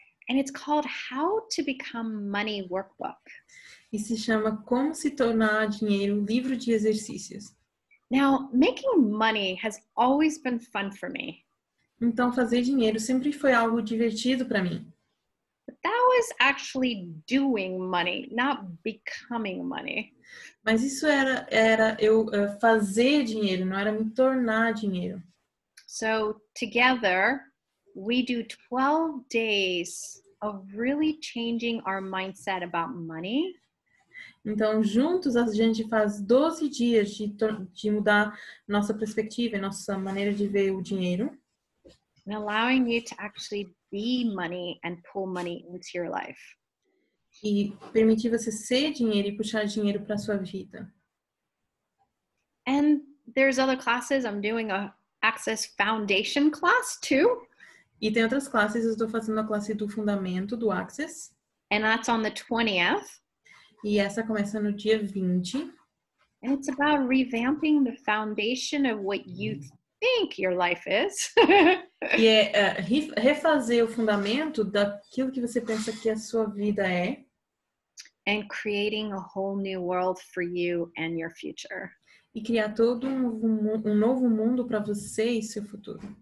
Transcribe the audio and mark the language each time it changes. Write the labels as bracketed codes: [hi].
[en] And it's called How to Become Money Workbook. [pt] E se chama Como se Tornar Dinheiro Livro de Exercícios. [en] Now, making money has always been fun for me. [pt] Então, fazer dinheiro sempre foi algo divertido para mim. [en] But that was actually doing money, not becoming money. [pt] Mas isso era fazer dinheiro, não era me tornar dinheiro. [en] So, together, we do 12 days of really changing our mindset about money. [pt] Então, juntos, a gente faz 12 dias de mudar nossa perspectiva e nossa maneira de ver o dinheiro. [en] And allowing you to actually be money and pull money into your life. [pt] E permitir você ser dinheiro e puxar dinheiro para sua vida. [en] And there's other classes. I'm doing a Access Foundation class too. [pt] E tem outras classes. Eu estou fazendo a classe do fundamento, do Access. [en] And that's on the 20th. [pt] E essa começa no dia 20. [en] And it's about revamping the foundation of what you think your life is. [pt] E refazer o fundamento daquilo que você pensa que a sua vida é. [en] And creating a whole new world for you and your future. [pt] E criar todo um novo mundo para você e seu futuro.